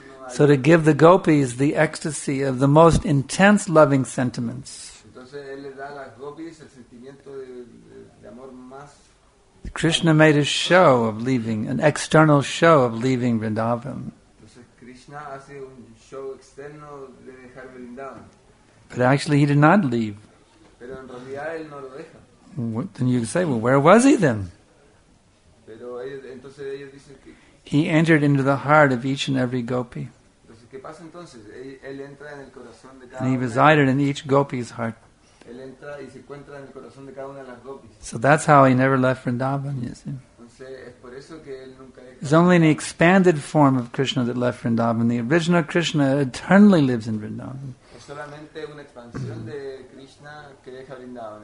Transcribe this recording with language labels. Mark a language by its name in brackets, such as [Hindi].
[English] So to give the gopis the ecstasy of the most intense loving sentiments. [Spanish] Entonces, él le da a las gopis el sentimiento de amor más. [English] Krishna made a show of leaving, an external show of leaving Vrindavan. [Spanish] Entonces, Krishna hace un show externo de dejar Vrindavan. [English] But actually he did not leave. [Spanish] Pero en realidad, él no lo deja. [English] Then you say, well, where was he then? [Spanish] Pero ellos, entonces, ellos dicen que [English] he entered into the heart of each and every gopi. [Spanish] Entonces, ¿qué pasa entonces? Él entra en el corazón de cada [English] and he resided in each gopi's heart. [Spanish] Él entra y se encuentra en el corazón de cada una de las gopis. [English] So that's how he never left Vrindavan, you see. [Spanish] Entonces, es por eso que él nunca dejó. [English] It's only an expanded form of Krishna that left Vrindavan. The original Krishna eternally lives in Vrindavan. [Spanish] Es solamente una expansión de Krishna que deja Vrindavan.